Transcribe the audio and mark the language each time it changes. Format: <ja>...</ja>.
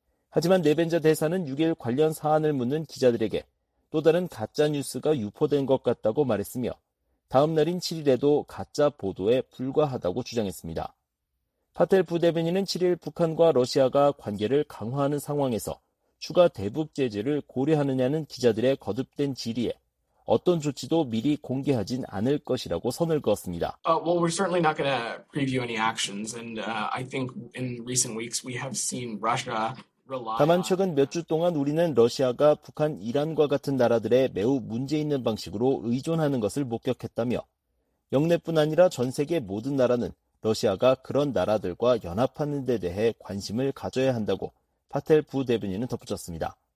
<ko>하지만 네벤자 대사는 6일 관련 사안을 묻는 기자들에게 또 다른 가짜 뉴스가 유포된 것 같다고 말했으며 다음 날인 7일에도 가짜 보도에 불과하다고 주장했습니다. 파텔 부대변인은 7일 북한과 러시아가 관계를 강화하는 상황에서 추가 대북 제재를 고려하느냐는 기자들의 거듭된 질의에 어떤 조치도 미리 공개하진 않을 것이라고 선을 그었습니다.</ko> <en>Well, we're certainly not going to preview any actions and I think in recent weeks we have seen Russia</en> <ko>다만 최근 몇 주 동안 우리는 러시아가 북한 이란과 같은 나라들의 매우 문제 있는 방식으로 의존하는 것을 목격했다며 영내뿐 아니라 전 세계 모든 나라는 러시아가 그런 나라들과 연합하는 데 대해 관심을 가져야 한다고 파텔 부대변인은 덧붙였습니다.</ko>